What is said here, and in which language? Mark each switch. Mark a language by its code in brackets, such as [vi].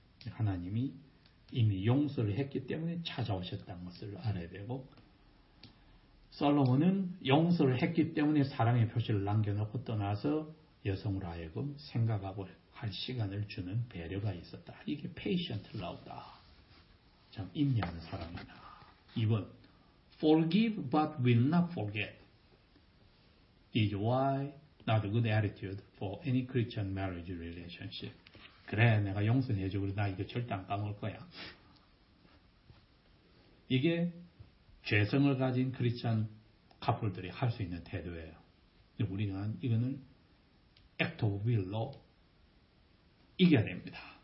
[ko] 하나님이 이미 용서를 했기 때문에 찾아오셨다는 것을 알아야 되고 솔로몬은 용서를 했기 때문에 사랑의 표시를 남겨놓고 떠나서 여성으로 하여금 생각하고 할 시간을 주는 배려가 있었다. 이게 [en] patient love [ko] 다. 참 인내하는 사람이다. [en] 2번 Forgive but will not forget is why not a good attitude for any Christian marriage relationship. [ko] 그래 내가 용서해주고 나 이거 절대 안 까먹을 거야. 이게 죄성을 가진 크리스찬 커플들이 할 수 있는 태도예요. 근데 우리는 이거는 [en] act of will [ko] 로 이겨냅니다.